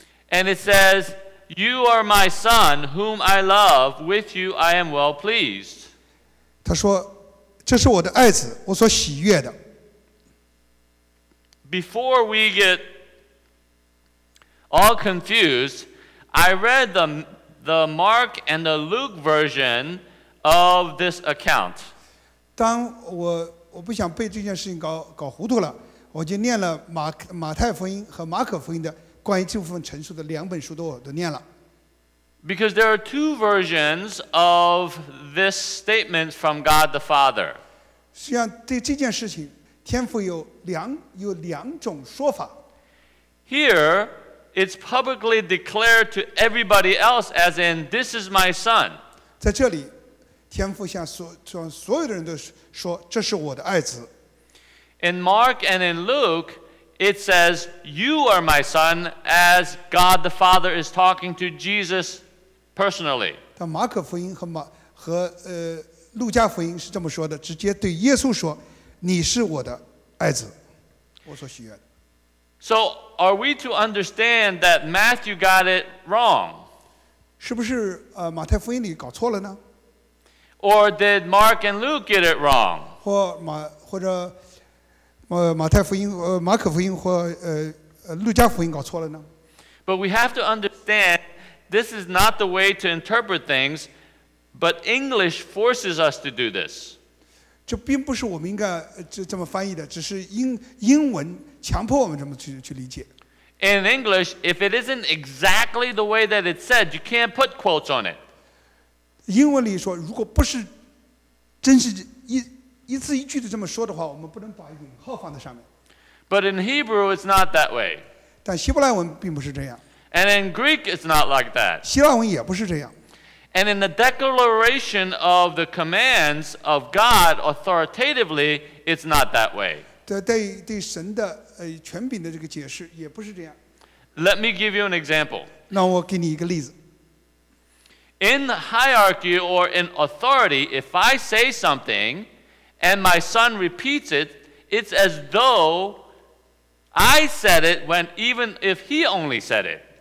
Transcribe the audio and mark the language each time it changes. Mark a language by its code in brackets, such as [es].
[en] And it says, "You are my son, whom I love. With you, I am well pleased." [zh] 他说，这是我的爱子，我所喜悦的。 [en] Before we get all confused, I read the Mark and the Luke version of this account. [zh] 当我不想被这件事情搞糊涂了，我就念了马太福音和马可福音的关于这部分陈述的两本书都念了。 [en] Because there are two versions of this statement from God the Father. [zh] 实际上对这件事情。天父有两种说法。 [en] Here, it's publicly declared to everybody else, as in, "This is my son." [zh] 在这里，天父向所有的人都说，这是我的爱子。 [en] In Mark and in Luke, it says, "You are my son," as God the Father is talking to Jesus personally. [zh] 但马可福音和路加福音是这么说的，直接对耶稣说。你是我的爱子，我所喜悦的。 [en] So are we to understand that Matthew got it wrong? [zh] 是不是马太福音里搞错了呢？ [en] Or did Mark and Luke get it wrong? [zh] 或者马太福音、马可福音或路加福音搞错了呢？ [en] But we have to understand this is not the way to interpret things, but English forces us to do this. [zh] 这并不是我们应该这么翻译的，只是英文强迫我们这么去理解。 [en] In English, if it isn't exactly the way that it's said, you can't put quotes on it. [zh] 英文里说，如果不是真是一字一句的这么说的话，我们不能把引号放在上面。 [en] But in Hebrew, it's not that way. [zh] 但希伯来文并不是这样。 [en] And in Greek, it's not like that. [zh] 希腊文也不是这样。 [en] And in the declaration of the commands of God authoritatively, it's not that way. [zh] 对神的权柄的这个解释也不是这样。 [en] Let me give you an example. [zh] 让我给你一个例子。 [en] In the hierarchy or in authority, if I say something and my son repeats it, it's as though I said it when even if he only said it.